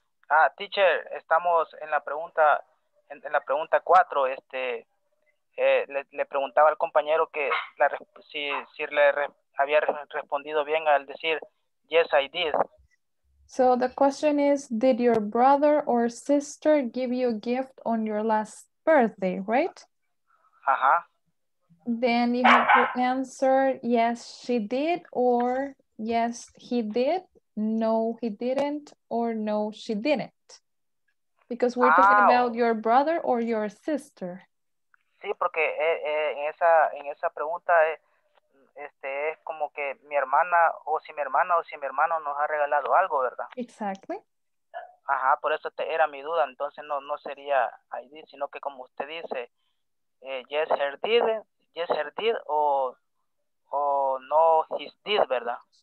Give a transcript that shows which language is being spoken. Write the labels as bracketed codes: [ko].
[es] Ah, teacher, estamos en la pregunta, en la pregunta 4, le preguntaba al compañero que la, si le había respondido bien al decir [en] yes I did. So the question is, did your brother or sister give you a gift on your last birthday, right? Ajá. Then you have to answer yes she did, or yes he did, no he didn't, or no she didn't, because we're talking about your brother or your sister. [es] Sí, porque en esa pregunta es como que mi hermana o si mi hermano nos ha regalado algo, ¿verdad? [en] Exactly. [es] Ajá, por eso era mi duda. Entonces no sería ID, sino que como usted dice, [en] yes, her did, [es] o [en] no, he did, [es] ¿verdad?